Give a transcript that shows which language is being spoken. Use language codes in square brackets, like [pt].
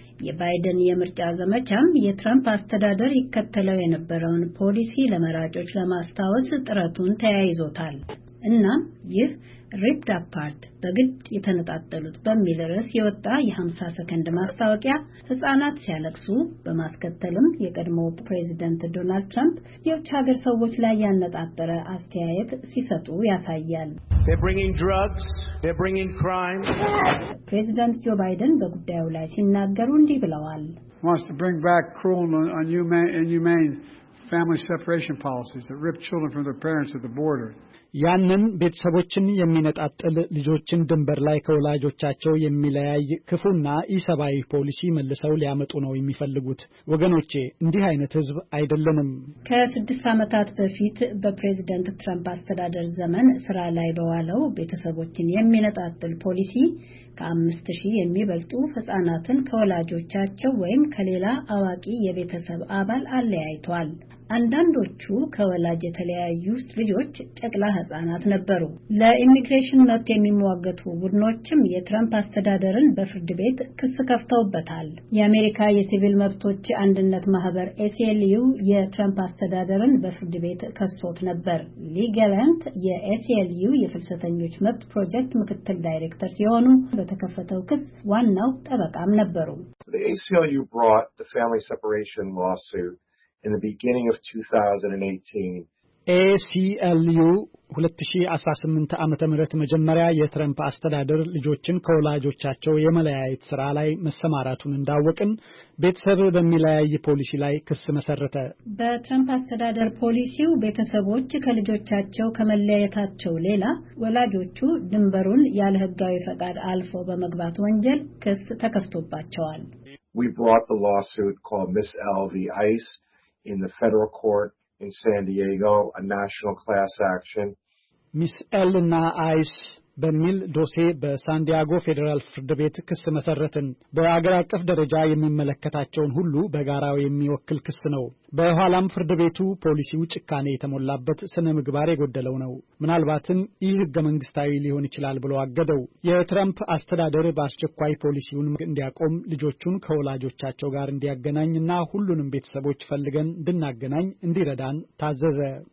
[am] የባይደን የምርጫ ዘመቻም የትራምፕ አስተዳደር ይከተለው የነበረውን ፖሊሲ ለመራጮች ለማስተዋወስ ጥረቱን ተያይዞታል። እና ይህ [en] ripped apart [am] በግድ የተነጣጠሉት በሚል ርዕስ የወጣ የ50 ሰከንድ ማስታወቂያ ህፃናት ሲያለቅሱ በማስከተልም የቀድሞው ፕሬዝዳንት ዶናልድ ትራምፕ የውጭ ሀገር ሰዎች ላይ ያነጣጠረ አስተያየት ሲሰጡ ያሳያል። [en] They're bringing drugs, they're bringing crime. [am] President Joe Biden በጉዳዩ ላይ ሲናገሩ እንዲህ ብለዋል። [en] Wants to bring back cruel and inhumane family separation policies that rip children from their parents at the border. [am] ያንን ቤተሰቦችን የሚነጣጥል ልጆችን ድንበር ላይ ከወላጆቻቸው የሚለያይ ክፉና ኢሰባዊ ፖሊሲ መልሰው ሊያመጡ ነው የሚፈልጉት። ወገኖቼ እንዲህ አይነት ህዝብ አይደለንም። ከ6 አመታት በፊት በፕሬዝዳንት ትራምፕ አስተዳደር ዘመን ስራ ላይ በዋለው ቤተሰቦችን የሚነጣጥል ፖሊሲ ከ5000 የሚበልጡ ህፃናትን ከወላጆቻቸው ወይም ከሌላ አዋቂ የቤተሰብ አባል አለያይቷል። አንዳንዶቹ ከወላጅ የተለያዩ ልጆች ጨቅላ ህፃናት ነበሩ። ለኢሚግሬሽን መብት የሚሟገቱ ቡድኖችም የትራምፕ አስተዳደርን በፍርድ ቤት ክስ ከፍተውበታል። የአሜሪካ የሲቪል መብቶች አንድነት ማህበር ACLU የትራምፕ አስተዳደርን በፍርድ ቤት ከሶት ነበር። ሊጋላንት የACLU የፍልሰተኞች መብት ፕሮጀክት ምክትል ዳይሬክተር ሲሆኑ በተከፈተው ክስ ዋናው ጠበቃም ነበሩ። [en] The ACLU brought the family separation lawsuit in the beginning of 2018. [am] ACLU 2018 ዓመተ ምህረት መጀመሪያ የትራምፕ አስተዳደር ልጆችን ከወላጆቻቸው የመለያየት ሥራ ላይ መሰማራቱን እንዳወቀን ቤተሰብ በሚለያይ ፖሊሲ ላይ ክስ መሰረተ። በትራምፕ አስተዳደር ፖሊሲው ቤተሰቦች ከልጆቻቸው ከመለያየታቸው ሌላ ወላጆቹ ድንበሩን ያለ ህጋዊ ፈቃድ አልፎ በመግባት ወንጀል ክስ ተከፍቶባቸዋል። [en] We brought the lawsuit called Miss L v. ICE in the federal court in San Diego, a national class action. [am] Miss L na ICE በሚል ዶሴ በሳንዲያጎ ፌደራል ፍርድ ቤት ክስ መሰረትን። በአገር አቀፍ ደረጃ የሚመለከታቸውን ሁሉ በጋራው የሚወክል ክስ ነው። በኋላም ፍርድ ቤቱ ፖሊሲው ጭካኔ የተሞላበት ስነ ምግባር የጎደለው ነው፣ ምናልባትም ይህ ህገ መንግስታዊ ሊሆን ይችላል ብሎ አገደው። የትራምፕ አስተዳደር በአስቸኳይ ፖሊሲውን እንዲያቆም፣ ልጆቹን ከወላጆቻቸው ጋር እንዲያገናኝና ሁሉንም ቤተሰቦች ፈልገን እንድናገናኝ እንዲረዳን ታዘዘ።